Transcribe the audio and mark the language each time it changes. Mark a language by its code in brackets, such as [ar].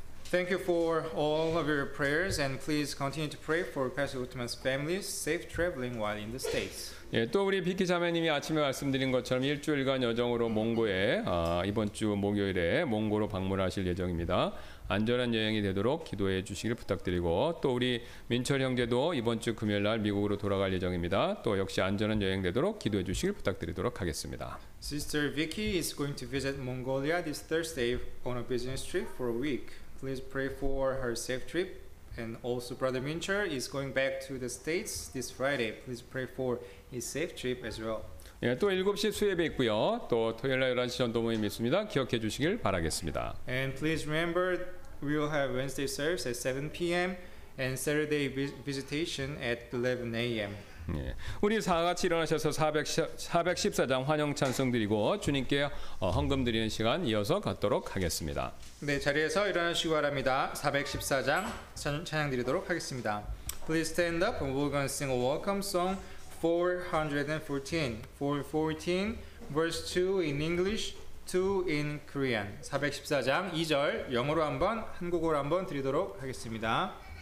[en] Thank you for all of your prayers, and please continue to pray for Pastor Uthman's family's safe traveling while in the States. [ko] 예, 또 우리 비키 자매님이 아침에 말씀드린 것처럼 일주일간 여정으로 몽고에 이번 주 목요일에 몽고로 방문하실 예정입니다. 안전한 여행이 되도록 기도해 주시길 부탁드리고 또 우리 민철 형제도 이번 주 금요일 날 미국으로 돌아갈 예정입니다. 또 역시 안전한 여행 되도록 기도해 주시길 부탁드리도록 하겠습니다. [en] Sister Vicky is going to visit Mongolia this Thursday on a business trip for a week. Please pray for her safe trip. And also Brother Minchar is going back to the States this Friday. Please pray for his safe trip as well. [ko] 예, 또 7시 수예배 있고요. 또 토요일 날 11시 전도 모임 있습니다. 기억해 주시길 바라겠습니다. [en] And please remember we will have Wednesday service at 7 p.m. and Saturday visitation at 11 a.m. [ko] 예, 우리 사같이 일어나셔서 414장 환영 찬송 드리고 주님께 헌금 드리는 시간 이어서 갖도록 하겠습니다. 네, 자리에서 일어나시기 바랍니다. 414장 찬양 드리도록 하겠습니다. [en] Please stand up and we're going to sing a welcome song 414 verse 2 in English, 2 in Korean. [ko] 414장 2절 영어로 한번 한국어로 한번 드리도록 하겠습니다.